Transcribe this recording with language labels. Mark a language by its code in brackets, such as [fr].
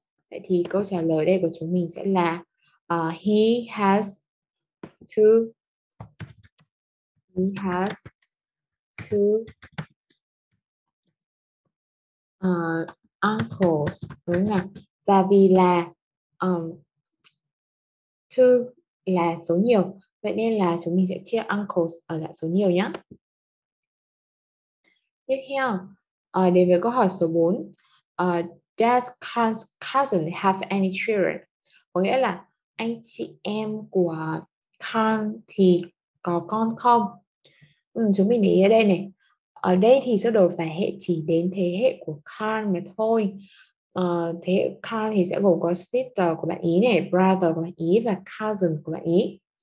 [vi] Vậy thì câu trả lời đây của chúng mình sẽ là [en] he has two uncles [vi] đúng không nào? Và vì là two là số nhiều, vậy nên là chúng mình sẽ chia uncles ở dạng số nhiều nhé. Tiếp theo, đến với câu hỏi số 4. [en] Does Khan's cousin have any children? [vi] Có nghĩa là anh chị em của Khan thì có con không? Chúng mình để ý ở đây này. Ở đây thì sơ đồ phải hệ chỉ đến thế hệ của Khan mà thôi. Thế hệ Khan thì sẽ gồm có sister của bạn ý này, brother của bạn ý và cousin của bạn ý.